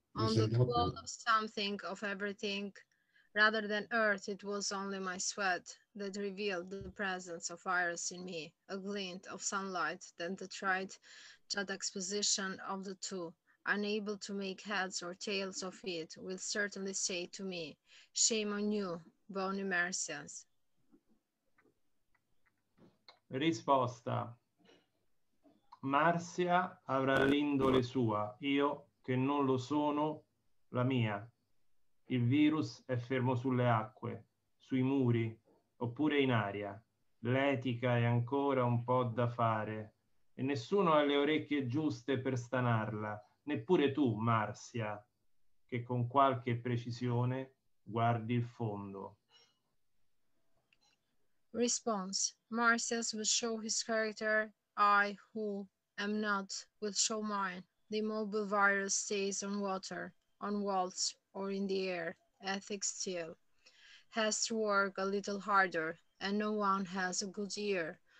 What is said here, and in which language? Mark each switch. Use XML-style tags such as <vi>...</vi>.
<en>On the wall of something, of everything, rather than earth, it was only my sweat that revealed the presence of virus in me, a glint of sunlight, then the tried juxtaposition of the two, unable to make heads or tails of it, will certainly say to me, shame on you, bony Marcians.</en> <it>Risposta. Marcia avrà l'indole sua, io che non lo sono, la mia. Il virus è fermo sulle acque, sui muri, oppure in aria. L'etica è ancora un po' da fare, e nessuno ha le orecchie giuste per stanarla, neppure tu, Marcia, che con qualche precisione guardi il fondo.</it> <en>Response. Marcia's will show his character, I, who am not, will show mine. The immobile virus stays on water, on walls, or in the air, ethics still. Has to work a little harder, and no one has a good ear.</en>